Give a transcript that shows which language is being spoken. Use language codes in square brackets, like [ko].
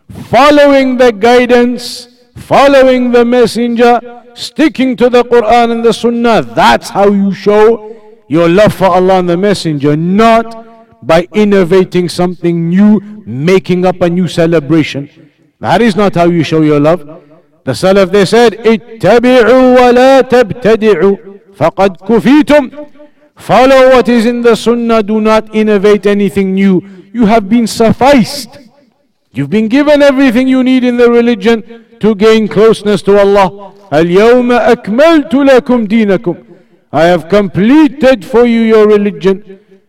[en] Following the guidance, following the messenger, sticking to the Quran and the Sunnah, that's how you show your love for Allah and the messenger, not by innovating something new, making up a new celebration. That is not how you show your love. The Salaf, they said, [ar] اتبعوا ولا تبتدعوا فقد كفيتم. [en] Follow what is in the Sunnah, do not innovate anything new. You have been sufficed. You've been given everything you need in the religion to gain closeness to Allah. [ar] الْيَوْمَ أَكْمَلْتُ لَكُمْ دِينَكُمْ. [en] I have completed for you your religion.